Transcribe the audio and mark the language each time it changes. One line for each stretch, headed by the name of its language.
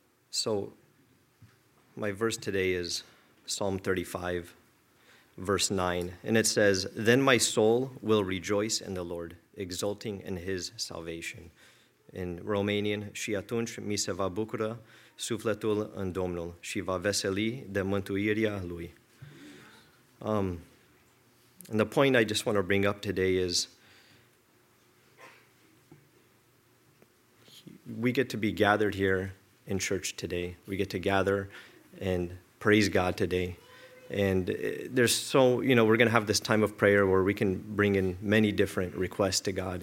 English: So, my verse today is Psalm 35, verse 9, and it says, "Then my soul will rejoice in the Lord, exulting in his salvation."
Romanian: în Romanian, și atunci mi se va bucura sufletul în Domnul și va veseli de mântuirea Lui.
English: And the point I just want to bring up today is we get to be gathered here in church today. We get to gather and praise God today. And there's so, you know, we're going to have this time of prayer where we can bring in many different requests to God.